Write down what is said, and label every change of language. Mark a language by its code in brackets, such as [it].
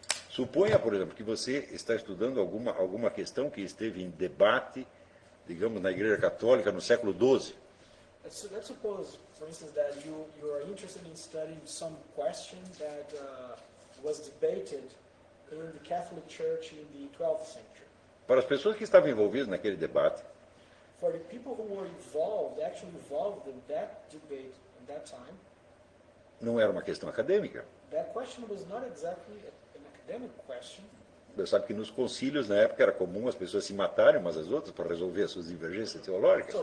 [pt] Suponha, por exemplo, que você está estudando alguma questão que esteve em debate, digamos, na Igreja Católica no século XII. [en] Let's suppose, for instance, that you are interested in studying some question that was debated in the Catholic Church in the 12th century. [pt] Para as pessoas que estavam envolvidas naquele debate, [en] for the people who were involved, actually involved in that debate at that time, [pt] não era uma questão acadêmica. [en] That question was not exactly an academic question. [pt] Você sabe que nos concílios na época era comum as pessoas se matarem umas às outras para resolver as suas divergências teológicas.